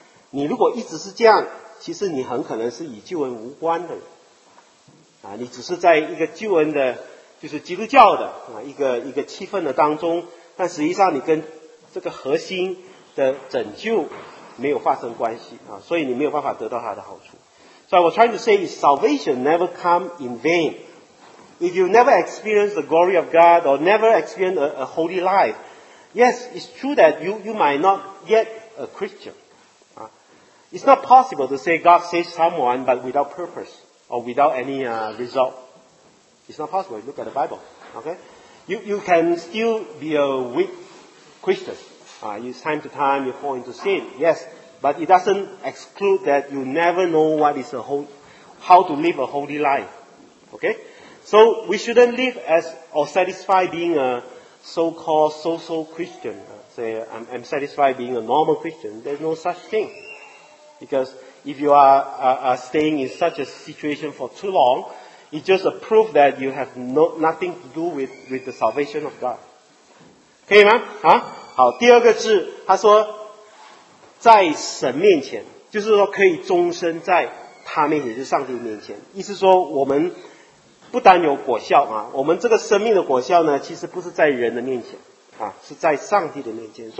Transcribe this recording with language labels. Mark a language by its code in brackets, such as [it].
[zh] 你如果一直是这样，其实你很可能是与救恩无关的人啊，你只是在一个救恩的，就是基督教的啊一个气氛的当中，但实际上你跟这个核心的拯救没有发生关系啊，所以你没有办法得到它的好处。 [en] So I was trying to say, salvation never come in vain. If you never experience the glory of God or never experience a holy life, yes, it's true that you might not yet a Christian. It's not possible to say God saves someone but without purpose or without any result. It's not possible. Look at the Bible. Okay? You can still be a weak Christian. Time to time you fall into sin. Yes, but it doesn't exclude that you never know what is how to live a holy life. Okay? So we shouldn't live as or satisfy being a so-called social Christian. Say, I'm satisfied being a normal Christian. There's no such thing. Because if you are staying in such a situation for too long, it's just a proof that you have nothing to do with the salvation of God. [zh] 可以吗？啊，好，第二个字，他说在神面前，就是说可以终身在他面前，就是上帝面前。意思说我们不单有果效啊，我们这个生命的果效呢，其实不是在人的面前啊，是在上帝的面前。